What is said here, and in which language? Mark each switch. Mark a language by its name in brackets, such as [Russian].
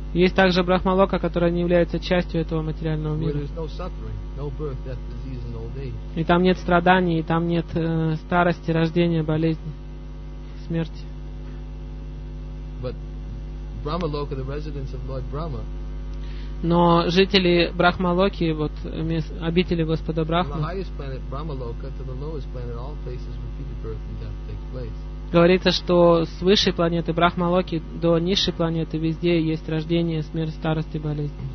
[Russian] Есть также брахмалока, которая не является частью этого материального мира. [English] Where there's no suffering, no birth, death, disease, and old age. [Russian] И там нет страданий, и там нет старости, рождения, болезни, смерти. [English] But Brahmaloka, the residence of Lord Brahma. [Russian] Но жители Брахмалоки, вот обители Господа Брахмы. [English] From the highest planet Brahmaloka to the lowest planet, all places repeated birth and death take place. [Russian] Говорится, что с высшей планеты Брахмалоки до низшей планеты везде есть рождение, смерть, старость и болезнь.